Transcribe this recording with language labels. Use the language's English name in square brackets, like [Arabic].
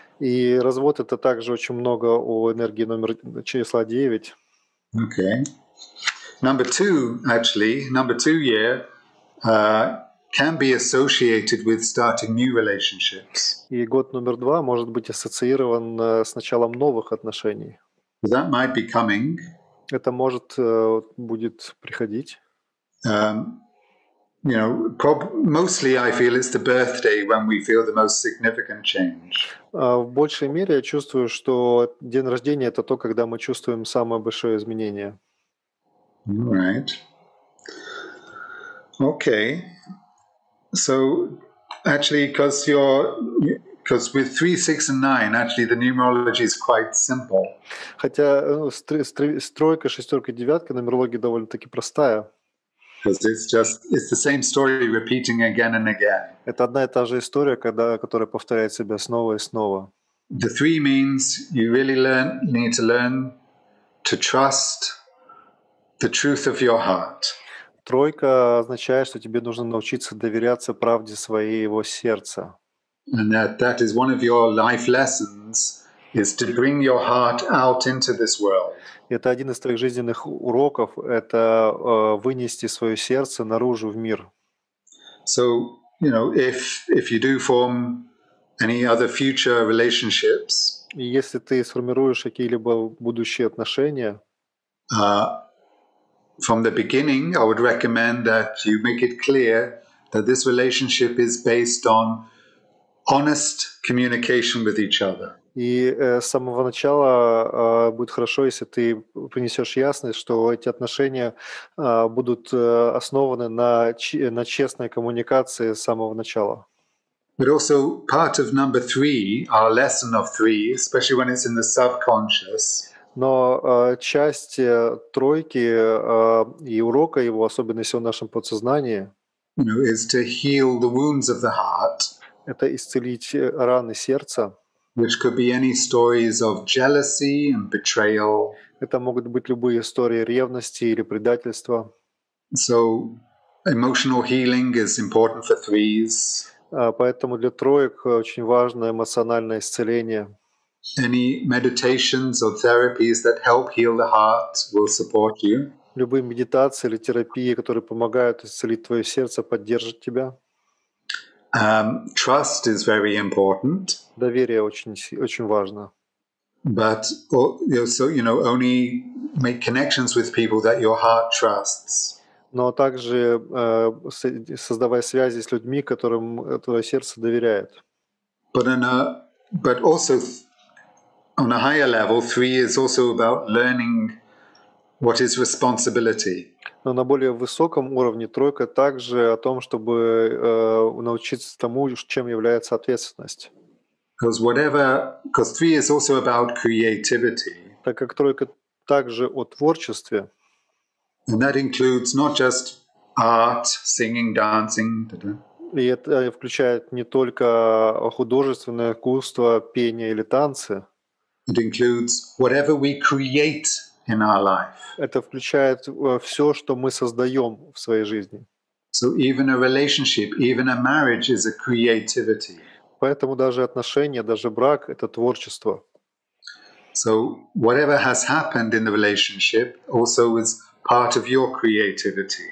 [Russian] И развод — это также очень много о энергии номер числа 9. [English] Okay. Number 2 year can be associated with starting new relationships. [Russian] И год номер 2 может быть ассоциирован с началом новых отношений. [English] That might be coming. [Russian] Это может будет приходить. [English] You know, mostly I feel it's the birthday when we feel the most significant change. [Russian] В большей мере я чувствую, что день рождения — это то, когда мы чувствуем самое большое изменение. [English] Right. Okay. So actually, because with 3, 6, and 9, actually the numerology is quite simple. [Russian] Хотя с тройкой, шестеркой, девяткой нумерология довольно-таки простая. [English] Because it's the same story repeating again and again. [Russian] Это одна и та же история, которая повторяет себя снова и снова. [English] The 3 means you really need to learn to trust the truth of your heart. [Russian] Тройка означает, что тебе нужно научиться доверяться правде своего сердца. [English] And that is one of your life lessons. Is to bring your heart out into this world. [Russian] Это один из твоих жизненных уроков — это вынести свое сердце наружу в мир. [English] So, you know, if you do form any other future relationships, [Russian] если ты сформируешь какие-либо будущие отношения, [English] from the beginning, I would recommend that you make it clear that this relationship is based on honest communication with each other. [Russian] И с самого начала будет хорошо, если ты принесешь ясность, что эти отношения будут основаны на честной коммуникации с самого начала. [English] But also part of number three, our lesson of three, especially when it's in the subconscious. [Russian] Но часть тройки и урока его, особенно если в нашем подсознании, [English] you know, is to heal the wounds of the heart. [Russian] Это исцелить раны сердца. [English] Which could be any stories of jealousy and betrayal. [Russian] Это могут быть любые истории ревности или предательства. [English] So emotional healing is important for threes. [Russian] Поэтому для троек очень важно эмоциональное исцеление. [English] Any meditations or therapies that help heal the heart will support you. [Russian] Любые медитации или терапии, которые помогают исцелить твое сердце, поддержат тебя. [English] Trust is very important. [Russian] Доверие очень, очень важно. [English] But also, you know, only make connections with people that your heart trusts. [Russian] Но также создавая связи с людьми, которым твое сердце доверяет. [English] But also on a higher level, three is also about learning what is responsibility. [Russian] Но на более высоком уровне тройка также о том, чтобы научиться тому, чем является ответственность. Так как тройка также о творчестве. [English] And that includes not just art, singing, dancing. [Russian] И это включает не только художественное искусство, пение или танцы. [English] It includes whatever we create in our life. [Russian] Это включает все, что мы создаем в своей жизни. [English] So even a relationship, even a marriage is a creativity. [Russian] Поэтому даже отношения, даже брак — это творчество. [English] So whatever has happened in the relationship also is part of your creativity.